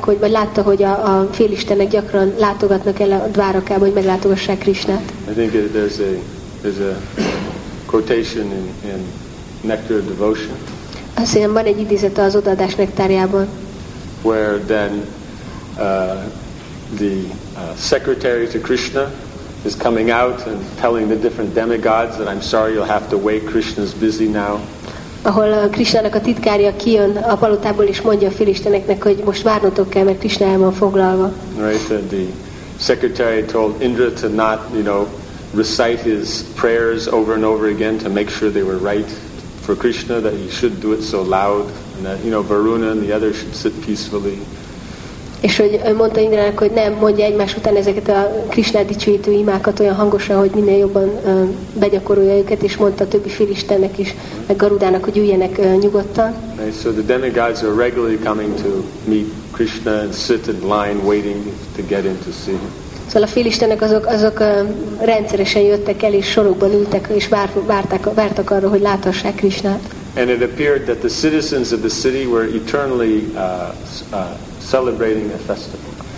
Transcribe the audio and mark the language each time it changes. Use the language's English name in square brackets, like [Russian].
[Hungarian] Látta, hogy a félistenek gyakran látogatnak el a Dvárakába, hogy meglátogassák Krishnát. [English] I think there's a quotation in Nectar of Devotion. [Hungarian] Azt hiszem, van egy idézete az odaadás nektárjában. [English] Where then the secretary to Krishna is coming out and telling the different demigods that I'm sorry, you'll have to wait, Krishna's busy now. [Hungarian] Ahol Krishnának a titkárja kijön a palotából és mondja a félisteneknek, hogy most várnotok kell, mert Krishna el van foglalva. [English] Right, and the secretary told Indra to not, you know, recite his prayers over and over again to make sure they were right for Krishna, that he should do it so loud. And that, you know, Varuna and the others should sit peacefully. [Hungarian] És hogy mondta Indrának, hogy nem mondja egymás után ezeket a Krishna dicsőítő imákat olyan hangosan, hogy minél jobban begyakorolja őket, és mondta a többi félistennek is, meg Garudának, hogy üljenek nyugodtan. [English] Right, so the demigods are regularly coming to meet Krishna and sit in line waiting to get in to see him. [Hungarian] Szóval a félistenek azok rendszeresen jöttek el, és sorokban ültek, és vártak arra, hogy láthassák Krishnát. [English] And it appeared that the citizens of the city were eternally celebrating a festival.